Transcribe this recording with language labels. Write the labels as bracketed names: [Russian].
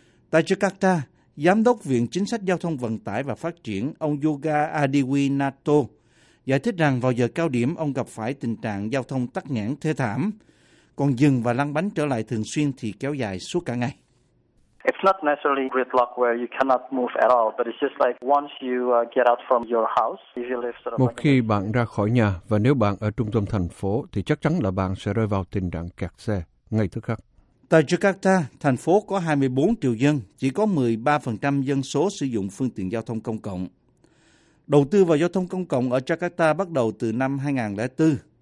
[Vietnamese] Tại Jakarta, Giám đốc Viện Chính sách Giao thông Vận tải và Phát triển, ông Yoga Adiwinato, giải thích rằng vào giờ cao điểm, ông gặp phải tình trạng giao thông tắc nghẽn thê thảm, còn dừng và lăn bánh trở lại thường xuyên thì kéo dài suốt cả ngày. [English] It's not necessarily gridlock where you cannot move at all, but it's just like once you get out from your house, if you live sort of [Vietnamese] Một khi bạn ra khỏi nhà và nếu bạn ở trung tâm thành phố thì chắc chắn là bạn sẽ rơi vào tình trạng kẹt xe ngay tức khắc. Tại Jakarta, thành phố có 24 triệu dân, chỉ có 13% dân số sử dụng phương tiện giao thông công cộng. Đầu tư vào giao thông công cộng ở Jakarta bắt đầu từ năm 2004.